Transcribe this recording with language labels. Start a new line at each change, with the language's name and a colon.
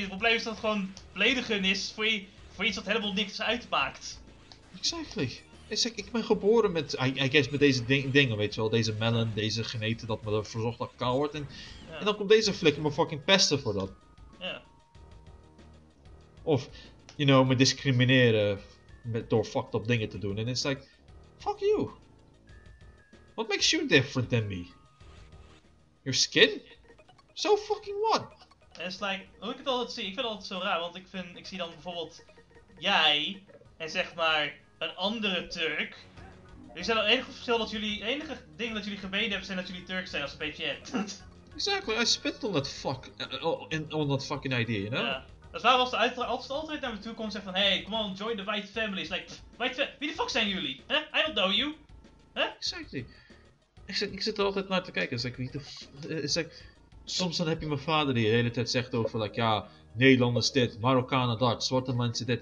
Dutch: Het probleem is dat het gewoon beledigen is voor iets wat helemaal niks uitmaakt.
English: Exactly.
Dutch: Ik ben geboren met, I guess, met deze dingen, weet je wel. Deze melon, deze geneten dat me verzocht dat kaal wordt. En dan komt deze flikker me fucking pesten voor dat. Ja. Of, you know, me discrimineren. door fucked up dingen te doen. En
English: it's like, fuck you. What makes you different than me? Your skin? So fucking what?
Dutch: En het is like, hoe ik het altijd zie, ik vind het altijd zo raar, want ik zie dan bijvoorbeeld jij en zeg maar een andere Turk. Er zijn al enige verschil dat jullie, enige dingen dat jullie gemeen hebben zijn dat jullie Turk zijn als een beetje het.
English: Exactly, I spit on that fuck, on that fucking idea, you know?
Dutch: Ja. Dat is waar, als de uitdrager altijd naar me toe komt en zegt van,
English: hey, come on, join the white family. It's like, white family,
Dutch: wie de fuck zijn jullie?
English: Huh? I don't know you. Huh? Exactly.
Dutch: Ik zit er altijd naar te kijken, is like, wie de fuck. Soms dan heb je mijn vader die de hele tijd zegt over, like, ja, Nederlanders dit, Marokkanen dat, zwarte mensen dit.